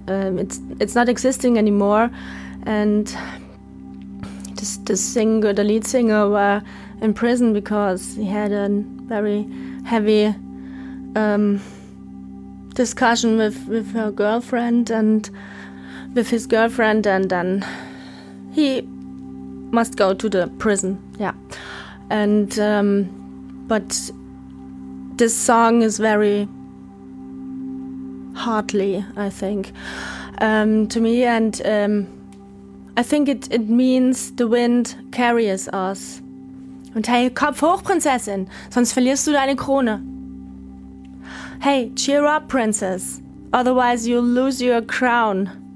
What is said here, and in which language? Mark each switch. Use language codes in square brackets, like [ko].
[en] It's not existing anymore. And the lead singer were in prison because he had a very heavy discussion with her girlfriend and with his girlfriend, and then he must go to the prison. Yeah. And but this song is very heartly, I think, to me, and I think it means the wind carries us. [de] Und hey, Kopf hoch, Prinzessin, sonst verlierst du deine Krone. [en] Hey, cheer up, princess, otherwise you'll lose your crown.